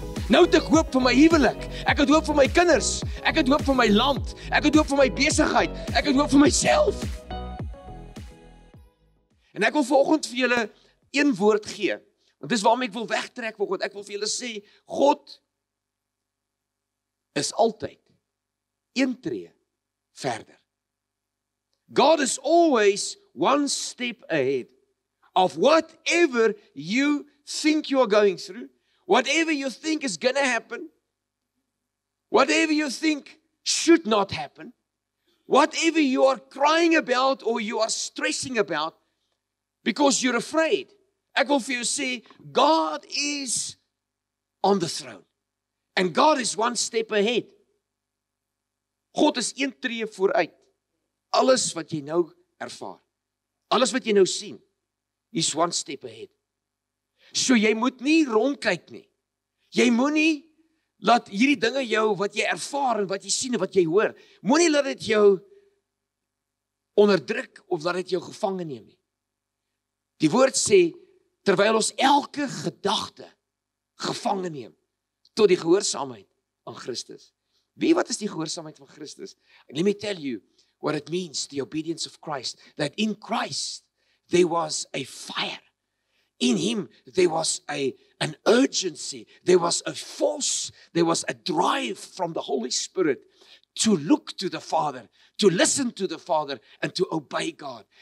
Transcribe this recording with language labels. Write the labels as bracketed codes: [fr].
[af] Nou het ek hoop vir my huwelik, ek het hoop vir my kinders, ek het hoop vir my land, ek het hoop vir my besigheid, ek het hoop vir myself. En ek wil volgend vir julle een woord gee, want dis waarom ek wil wegtrek, want ek wil vir julle sê, God is altyd een tree verder. [en] God is always one step ahead of whatever you think you are going through. Whatever you think is going to happen, whatever you think should not happen, whatever you are crying about or you are stressing about because you're afraid, [af] ek wil vir jou sê, [en] God is on the throne and God is one step ahead. [af] God is een tree vooruit. Alles wat jy nou ervaar, alles wat jy nou sien, is [en] one step ahead. [af] So jy moet nie rondkyk nie. Jy moet nie laat hierdie dinge jou, wat jy ervaar en wat jy sien en wat jy hoor, moet nie laat het jou onderdruk of laat het jou gevangen neem nie. Die woord sê, terwyl ons elke gedachte gevangen neem, tot die gehoorsaamheid aan Christus. Wie wat is die gehoorsaamheid van Christus? [en] And let me tell you what it means, the obedience of Christ, that in Christ there was a fire. In him, there was an urgency, there was a force, there was a drive from the Holy Spirit to look to the Father, to listen to the Father, and to obey God.